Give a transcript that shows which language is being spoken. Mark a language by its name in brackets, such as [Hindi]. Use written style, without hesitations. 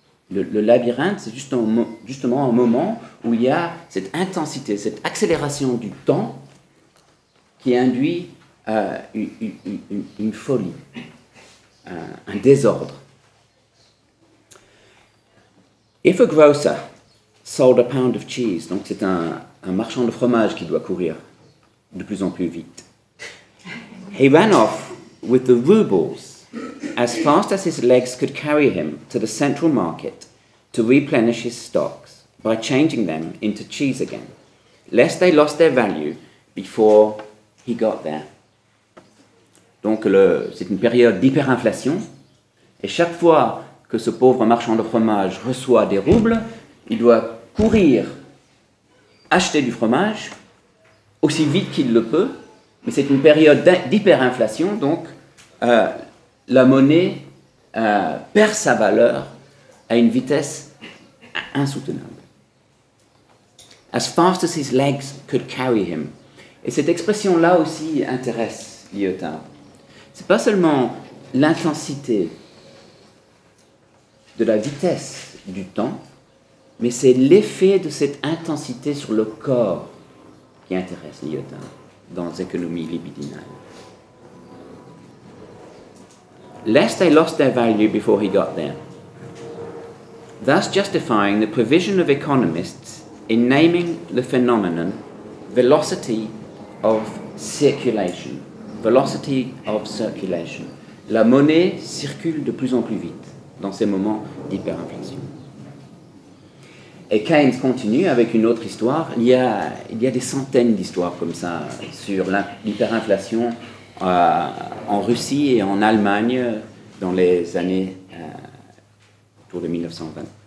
[French] Le labyrinthe, c'est justement un moment où il y a cette intensité, cette accélération du temps qui induit une folie, un désordre. [English] If a grocer sold a pound of cheese, [French] donc c'est un marchand de fromage qui doit courir de plus en plus vite. [English] He ran off with the rubles as fast as his legs could carry him to the central market to replenish his stocks by changing them into cheese again, lest they lost their value before he got there. [French] Donc, c'est une période d'hyperinflation, et chaque fois que ce pauvre marchand de fromage reçoit des roubles, il doit courir acheter du fromage aussi vite qu'il le peut, mais c'est une période d'hyperinflation, donc la monnaie perd sa valeur à une vitesse insoutenable. [English] as fast as his legs could carry him. [French] Et cette expression-là aussi intéresse Lyotard. C'est pas seulement l'intensité de la vitesse du temps, mais c'est l'effet de cette intensité sur le corps qui intéresse Lyotard dans l'économie libidinale. [English] Lest they lost their value before he got there. Thus justifying the provision of economists in naming the phenomenon velocity of circulation. Velocity of circulation. [French] La monnaie circule de plus en plus vite dans ces moments d'hyperinflation. Et Keynes continue avec une autre histoire. Il y a des centaines d'histoires comme ça sur l'hyperinflation en Russie et en Allemagne dans les années autour de 1920.